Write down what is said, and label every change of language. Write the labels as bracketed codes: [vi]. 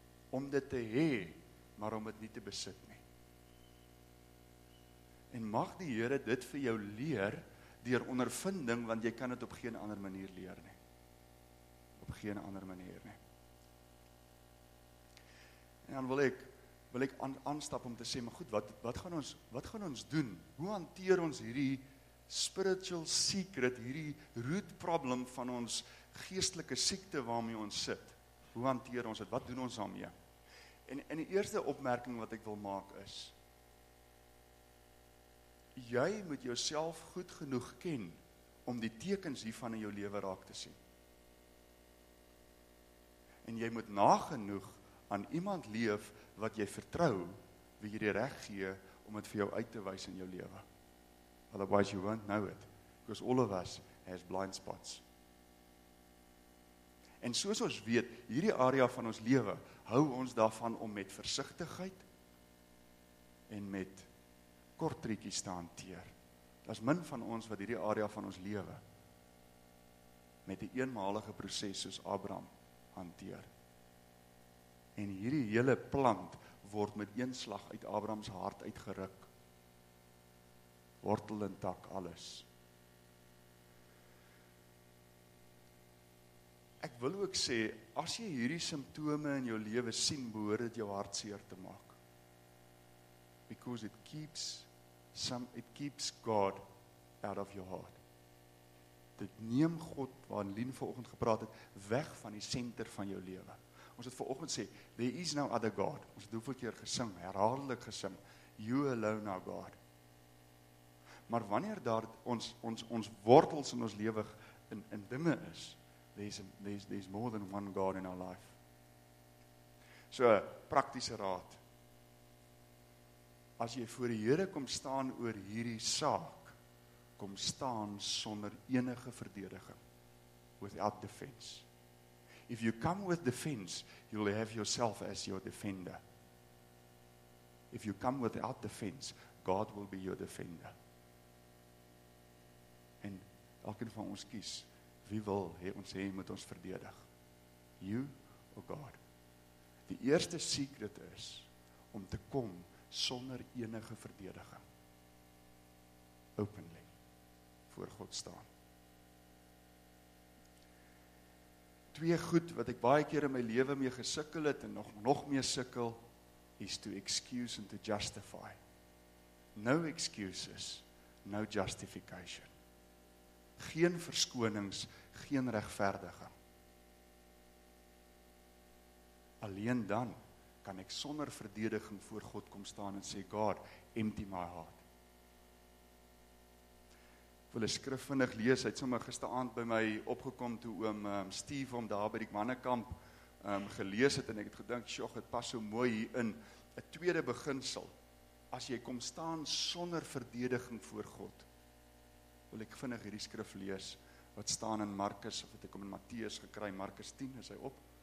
[af] Om dit te hê, maar om dit nie te besit nie. En mag die Here dit vir jou leer deur ondervinding, want jy kan dit op geen ander manier leer nie. Op geen ander manier nie. En dan wil ek aanstap om te sê, maar goed, wat gaan ons doen? Hoe hanteer ons hierdie [en] spiritual secret, [af] hierdie [en] root problem [af] van ons geestelike siekte waarmee ons sit? Hoe hanteer ons dit? Wat doen ons daarmee? En die eerste opmerking wat ek wil maak is, jy moet jouself goed genoeg ken om die tekens hiervan in jou lewe raak te sien. En jy moet nagenoeg aan iemand leef wat jy vertrou, wie jy die reg gee om het vir jou uit te wys in jou lewe. [en] Otherwise you won't know it, because all of us has blind spots. [af] En soos ons weet, hierdie area van ons lewe, hou ons daarvan om met versigtigheid en met kort trekkies te hanteer. Daar's min van ons wat hierdie area van ons lewe met 'n eenmalige proses soos Abraham hanteer. En hierdie hele plant word met een slag uit Abraham se hart uitgeruk. Wortel en tak, alles. Ek wil ook sê, as jy hierdie simptome in jou lewe sien, behoort dit jou hart seer te maak. [en] Because it keeps God out of your heart. [af] Dit neem God, waar Lien vanoggend gepraat het, weg van die senter van jou lewe. Ons het vanoggend sê, [en] there is no other God. [af] Ons het hoeveel keer gesing, herhaaldelik gesing, [en] you alone are God. [af] Maar wanneer daar ons wortels in ons lewe in dinge is, [en] There's more than one God in our life. [af] So, praktiese raad. As jy voor die Here kom staan oor hierdie saak, kom staan sonder enige verdediging. [en] Without defense. If you come with defense, you'll have yourself as your defender. If you come without defense, God will be your defender. [af] En elkeen van ons kies, wie wil hê ons hê moet ons verdedig? [en] You or God? [af] Die eerste secret is om te kom sonder enige verdediging. Openly voor God staan. Twee goed wat ek baie keer in my lewe mee gesukkel het en nog meer sukkel is [en] to excuse and to justify. No excuses, no justification. [af] Geen verskonings, geen regverdiging. Alleen dan kan ek sonder verdediging voor God kom staan en sê, God, [en] empty my heart. [af] Ek wil 'n skrif vinnig lees, hy het sommer gisteraand by my opgekom toe oom Steve om daar by die mannekamp gelees het en ek het gedink, sjog, het pas so mooi hier in. 'N tweede beginsel, as jy kom staan sonder verdediging voor God, wil ek vinnig hierdie skrif lees, wat staan in Markus, of het ek om in Matteus gekry, Markus 10, is hy op?